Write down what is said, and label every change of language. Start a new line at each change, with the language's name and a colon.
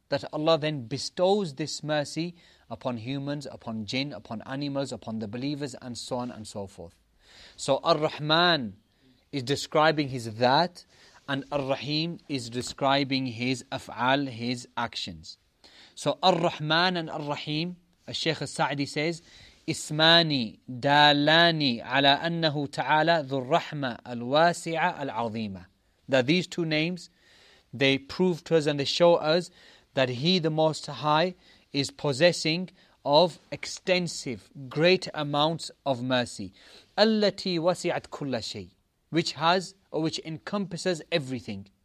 English: That Allah then bestows this mercy upon humans, upon jinn, upon animals, upon the believers, and so on and so forth. So Ar-Rahman is describing His that, and Ar-Rahim is describing His af'al, His actions. So Ar-Rahman and Ar-Rahim,
Arabic: الشيخ السعدي says, إسماني دالاني على أنه تعالى ذو الرحمة الواسعة العظيمة.
English: That these two names, they prove to us and they show us that He, the Most High, is possessing of extensive, great amounts of mercy.
Arabic: التي وسعت كل شيء,
English: which has or which encompasses everything.